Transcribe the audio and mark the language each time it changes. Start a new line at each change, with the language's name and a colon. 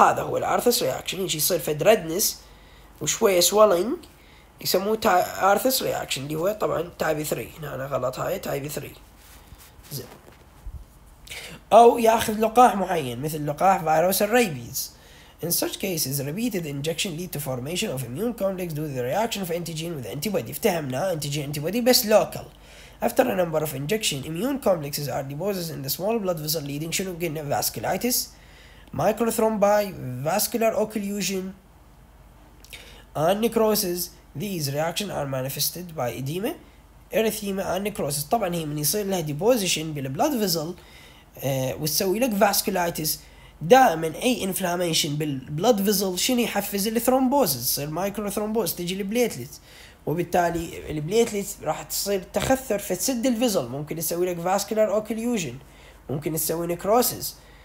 Arabic: هذا هو الارثس رياكشن، يصير في ريدنس وشويه سوالينج يسموه ارثس رياكشن، اللي هو طبعا تايب 3. هنا انا غلط، هاي تايب 3. او ياخذ لقاح معين مثل لقاح فيروس الريبيز.
English: In such cases, repeated injection lead to formation of immune complex due to the reaction of antigen with antibody.
Arabic: افتهمنا antigen antibody بس local.
English: After a number of injection, immune complexes are deposited in the small blood vessel leading to vasculitis, microthrombi, vascular occlusion, and necrosis. These reactions are manifested by edema, erythema, and necrosis.
Arabic: طبعا هي من يصير لها deposition بالblood vessel وتسوي لك vasculitis. دائما اي انفلاميشن بالبلد فيزل شنو يحفز الثرومبوزز، تصير مايكرو ثرومبوز، تجي البليتلت، وبالتالي البليتلت راح تصير تخثر فتسد الفيزل، ممكن تسوي لك فاسكولار اوكليوجن، ممكن تسوي نكروسز.